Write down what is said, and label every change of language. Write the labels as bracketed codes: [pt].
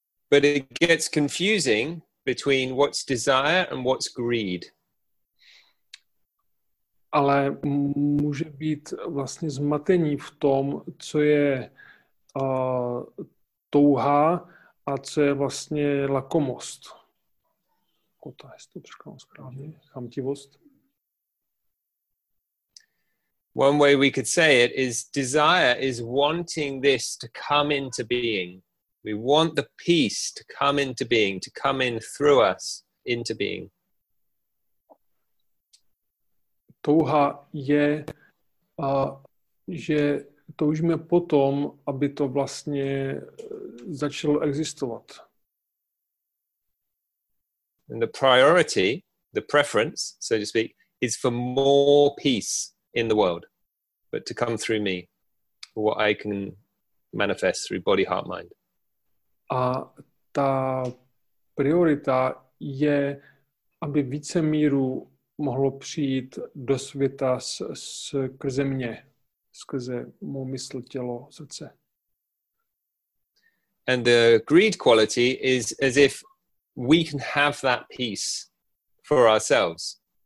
[en] But it gets confusing between what's desire and what's greed. [cs] Ale může být vlastně zmatení v tom, co je touha a co je vlastně lakomost. Kota, jestli to překládám správně, chamtivost. [en] One way we could say it is desire is wanting this to come into being. We want the peace to come into being, to come in through us into being. [cs] Touha je, že toužíme potom, aby to vlastně začalo existovat. [en] And the priority, the preference, so to speak, is for more peace in the world. But to come through me, what I can manifest through body, heart, mind. [cs] A ta priorita je, aby více míru mohlo přijít do světa skrze mě, skrze mou mysl, tělo, srdce. [en] And the greed quality is as if we can have that peace for ourselves.